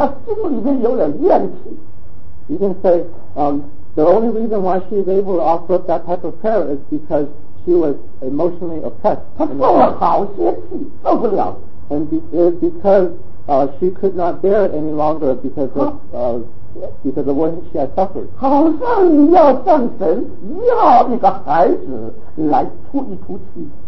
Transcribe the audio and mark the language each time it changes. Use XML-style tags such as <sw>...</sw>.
<zh>所以会有这个祷告，是因为他心里面有点怨气。</zh> <en>You can say, the only reason why she is able to offer up that type of prayer is because she was emotionally oppressed.</en> <zh>她受了好些气，受不了。</zh> <en>And because she could not bear it any longer because of what she had suffered.</en> <zh>好像你要向神要一个孩子来出一出气。</zh>